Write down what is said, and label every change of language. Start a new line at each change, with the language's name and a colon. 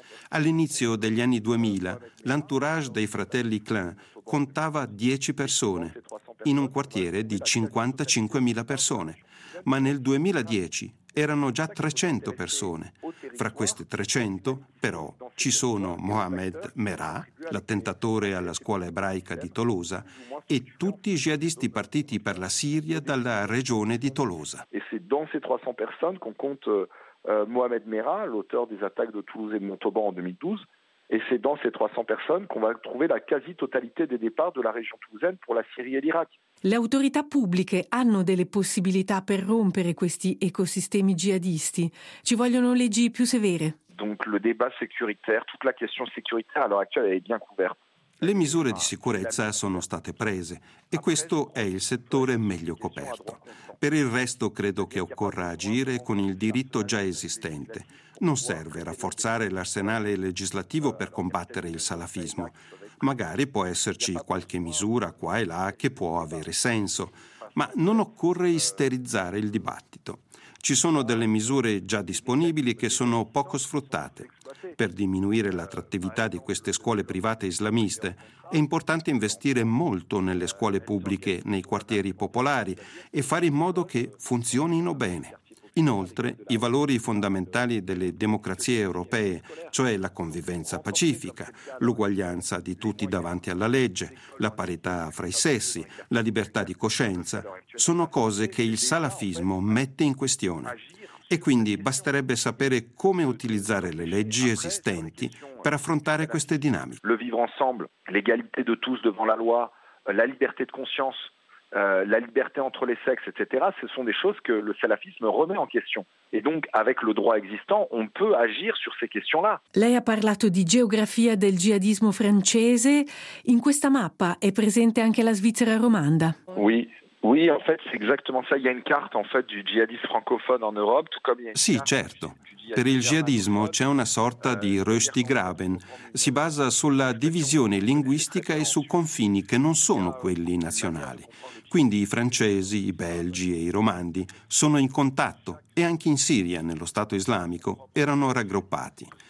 Italian: All'inizio degli anni 2000, l'entourage dei fratelli Klein contava 10 persone in un quartiere di 55.000 persone, ma nel 2010 erano già 300 persone. Fra queste 300, però, ci sono Mohamed Merah, l'attentatore alla scuola ebraica di Tolosa, e tutti i jihadisti partiti per la Siria dalla regione di Tolosa.
French: Dans ces 300 personnes qu'on compte Mohamed Merah, l'auteur des attaques de Toulouse et de Montauban en 2012. Et c'est dans ces 300 personnes qu'on va trouver la quasi-totalité des départs de la région toulousaine pour la Syrie et l'Irak.
Italian: Le autorità pubbliche hanno delle possibilità per rompere questi ecosistemi jihadisti. Ci vogliono leggi più severe.
French: Donc le débat sécuritaire, toute la question sécuritaire à l'heure actuelle est bien couverte.
Italian: Le misure di sicurezza sono state prese e questo è il settore meglio coperto. Per il resto credo che occorra agire con il diritto già esistente. Non serve rafforzare l'arsenale legislativo per combattere il salafismo. Magari può esserci qualche misura qua e là che può avere senso, ma non occorre isterizzare il dibattito. Ci sono delle misure già disponibili che sono poco sfruttate. Per diminuire l'attrattività di queste scuole private islamiste è importante investire molto nelle scuole pubbliche, nei quartieri popolari e fare in modo che funzionino bene. Inoltre, i valori fondamentali delle democrazie europee, cioè la convivenza pacifica, l'uguaglianza di tutti davanti alla legge, la parità fra i sessi, la libertà di coscienza, sono cose che il salafismo mette in questione. E quindi basterebbe sapere come utilizzare le leggi esistenti per affrontare queste dinamiche.
French: Le vivre ensemble, l'égalité de tous devant la loi, la liberté de conscience. La liberté entre les sexes, etc., ce sont des choses que le salafisme remet en question. Et donc, avec le droit existant, on peut agir sur ces questions-là.
Italian: Lei ha parlato di geografia del jihadismo francese. In questa mappa è presente anche la Svizzera romanda.
French: Oui. Oui, en fait, c'est exactement ça. Il y a une carte, en fait, du jihadisme francophone en Europe.
Italian: Sì, certo. Per il jihadismo c'è una sorta di Röstigraben. Si basa sulla divisione linguistica e su confini che non sono quelli nazionali. Quindi i francesi, i belgi e i romandi sono in contatto e anche in Siria, nello Stato islamico, erano raggruppati.